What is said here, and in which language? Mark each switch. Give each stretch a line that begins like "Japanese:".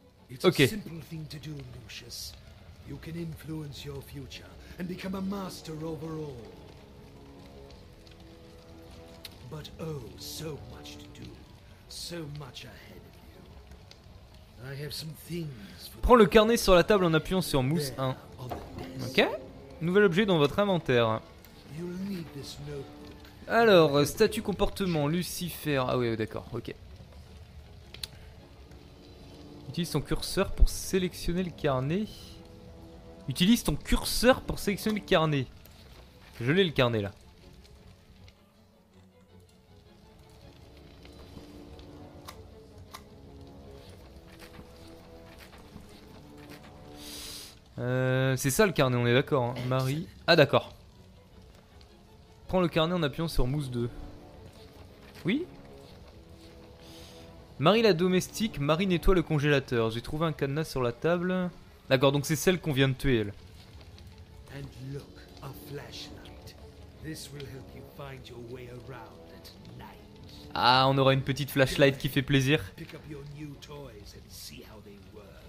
English: It's okay. A simple thing to do, Lucius. You can influence your future and become a master overall. But oh, so much to do, so much ahead of you. I have some things.
French: Prends le carnet sur la table en appuyant sur mousse 1. Ok. Nouvel objet dans votre inventaire.
English: You'll need this note.
French: Alors, statut comportement, Lucifer. Ah, ouais, d'accord, ok. Utilise ton curseur pour sélectionner le carnet. Utilise ton curseur pour sélectionner le carnet. Je l'ai le carnet là. C'est ça le carnet, on est d'accord, hein. Marie. Ah, d'accord. Prends le carnet en appuyant sur mousse 2. Oui. Marie la domestique, Marie nettoie le congélateur. J'ai trouvé un cadenas sur la table. D'accord, donc c'est celle qu'on vient de tuer, elle.
English: And look, a flashlight. This will help you find your way around at night.
French: Ah, on aura une petite flashlight qui fait plaisir.
English: Pick up your new toys and see how they work.